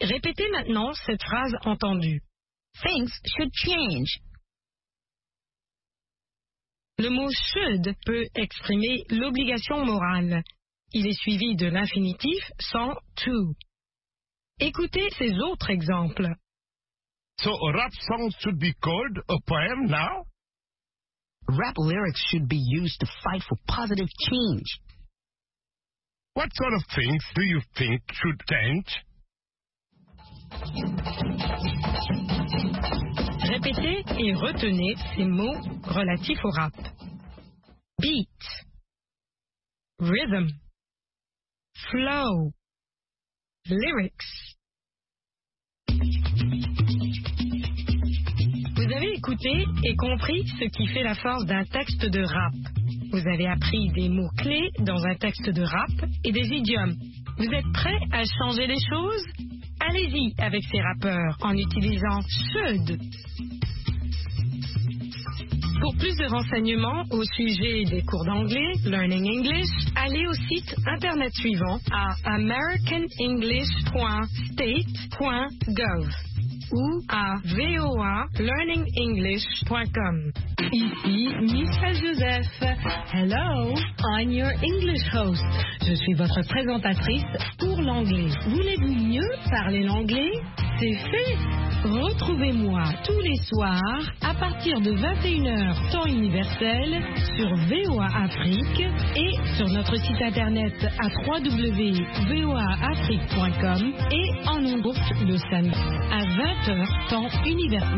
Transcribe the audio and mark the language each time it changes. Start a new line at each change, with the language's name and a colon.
French: Répétez maintenant cette phrase entendue.
English: Things should change.
French: Le mot « should » peut exprimer l'obligation morale. Il est suivi de l'infinitif sans « to ». Écoutez ces autres exemples.
English: So a rap song should be called a poem now? Rap lyrics should be used to fight for positive change. What sort of things do you think should change?
French: Répétez et retenez ces mots relatifs au rap.
English: Beat, rhythm, flow, lyrics.
French: Vous avez écouté et compris ce qui fait la force d'un texte de rap. Vous avez appris des mots clés dans un texte de rap et des idiomes. Vous êtes prêt à changer les choses? Allez-y avec ces rappeurs en utilisant « should ». Pour plus de renseignements au sujet des cours d'anglais, Learning English, allez au site internet suivant à americanenglish.state.gov. ou à voalearningenglish.com. Ici Michel Joseph.
English: Hello, I'm your English host.
French: Je suis votre présentatrice pour l'anglais. Voulez-vous mieux parler l'anglais? C'est fait! Retrouvez-moi tous les soirs à partir de 21h temps universel sur VOA Afrique et sur notre site internet à www.voaafrique.com et en ongourt le samedi à 20h temps universel.